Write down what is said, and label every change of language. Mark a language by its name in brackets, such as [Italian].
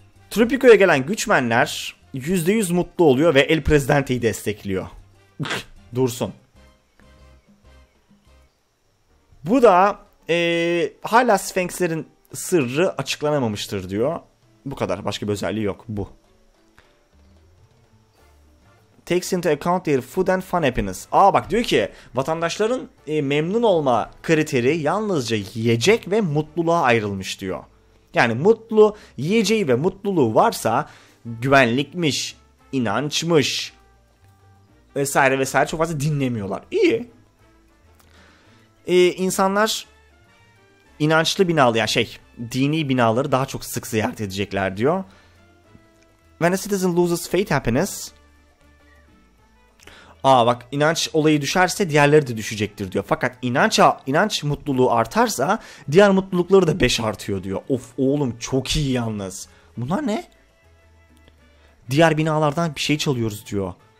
[Turkish] Tropico'ya gelen güçmenler %100 mutlu oluyor ve El Presidente'yi destekliyor. Dursun. Bu da hala Sphinx'lerin sırrı açıklanamamıştır diyor. Bu kadar. Başka bir özelliği yok. Bu. [English] Takes into account their food and fun happiness. [Turkish] Aa bak, diyor ki vatandaşların memnun olma kriteri yalnızca yiyecek ve mutluluğa ayrılmış diyor. Yani mutlu, yiyeceği ve mutluluğu varsa güvenlikmiş, inançmış vesaire vesaire, çok fazla dinlemiyorlar. İyi. İnsanlar inançlı binalı, yani şey, dini binaları daha çok sık ziyaret edecekler diyor. [English] When a citizen loses faith happiness. [Turkish] Aa bak, inanç olayı düşerse diğerleri de düşecektir diyor. Fakat inanç mutluluğu artarsa diğer mutlulukları da 5 artıyor diyor. Of oğlum, çok iyi yalnız. Bunlar ne? Diğer binalardan bir şey çalıyoruz diyor.